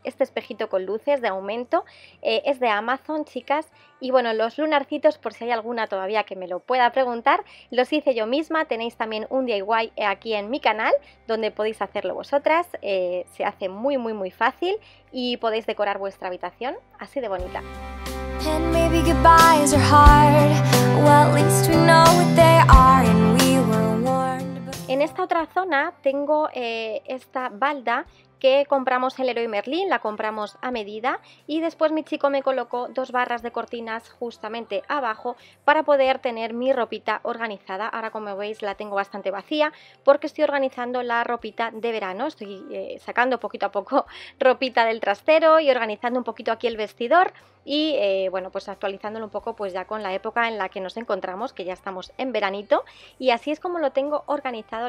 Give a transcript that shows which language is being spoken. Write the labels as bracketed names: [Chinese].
[Spanish] Este espejito con luces de aumento es de Amazon, chicas. Y bueno, los lunarcitos, por si hay alguna todavía que me lo pueda preguntar, los hice yo misma. Tenéis también un DIY aquí en mi canal, donde podéis hacerlo vosotras. Se hace muy muy muy fácil y podéis decorar vuestra habitación así de bonita. [English] And maybe goodbyes are hard. Well, at least we know what they are, and we were warned. [Spanish] En esta otra zona tengo esta balda que compramos en Leroy Merlin, la compramos a medida, y después mi chico me colocó dos barras de cortinas justamente abajo para poder tener mi ropita organizada. Ahora, como veis, la tengo bastante vacía porque estoy organizando la ropita de verano. Estoy sacando poquito a poco ropita del trastero y organizando un poquito aquí el vestidor y bueno, pues actualizándolo un poco pues ya con la época en la que nos encontramos, que ya estamos en veranito, y así es como lo tengo organizado.